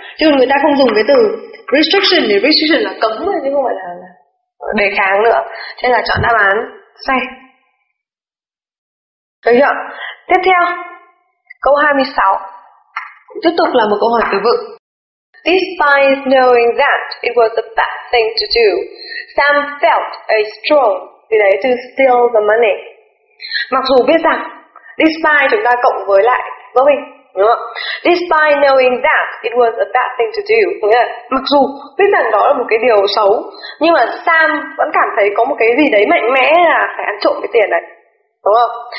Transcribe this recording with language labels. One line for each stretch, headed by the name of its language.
Vietnamese: Chứ người ta không dùng cái từ restriction, thì restriction là cấm chứ không phải là đề kháng nữa. Thế là chọn đáp án C. Được chưa? Tiếp theo, câu 26. Tiếp tục là một câu hỏi từ vựng.
English: Despite knowing that it was a bad thing to do, Sam felt a strong desire to steal the money.
Vietnamese: Mặc dù biết rằng, despite chúng ta cộng với lại với mình, đúng không?
English: Despite knowing that it was a bad thing to do,
Vietnamese: đúng không? Mặc dù biết rằng đó là một cái điều xấu, nhưng mà Sam vẫn cảm thấy có một cái gì đấy mạnh mẽ là phải ăn trộm cái tiền này, đúng không?